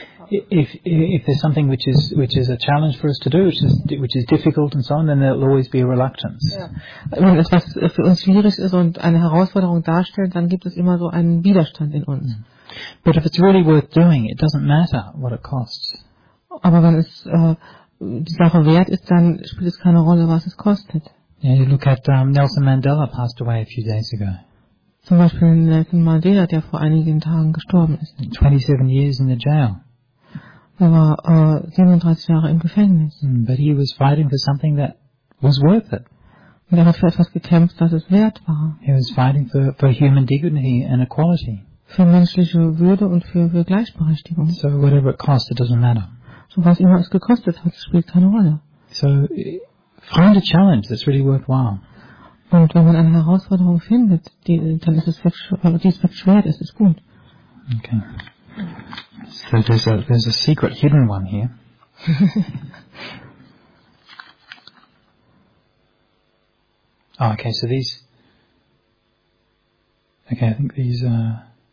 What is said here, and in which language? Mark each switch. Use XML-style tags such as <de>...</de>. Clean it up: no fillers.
<en>If there's something which is a challenge for us to do, which is difficult and so on, then there'll always be a reluctance. Yeah.</en> <de>Wenn etwas für uns schwierig ist und eine Herausforderung darstellt, dann gibt es immer so einen Widerstand in uns. Mm.</de> <en>But if it's really worth doing, it doesn't matter what it costs.</en> <de>Aber wenn es die Sache wert ist, dann spielt es keine Rolle, was es kostet.</de> <en>Yeah, you look at Nelson Mandela passed away a few days ago.</en> <de>Zum Beispiel Nelson Mandela, der vor einigen Tagen gestorben ist.</de> <en>27 years in the jail.</en> <de>Er war 37 Jahre im Gefängnis.</de> <en>But he was fighting for something that was worth it.</en> <de>Und er hat für etwas gekämpft, das es wert war.</de> <en>He was fighting for human dignity and equality.</en> <de>Für menschliche Würde und für Gleichberechtigung.</de> <en>So whatever it costs, it doesn't matter.</en> <de>So was immer es gekostet hat, spielt keine Rolle.</de> <en>So find a challenge that's really worthwhile.</en> <de>Und wenn man eine Herausforderung findet, dann ist es wirklich schwer, das ist gut.</de> <en>Okay. So there's a secret hidden one here. Oh, okay, so these... Okay, I think these are...</en>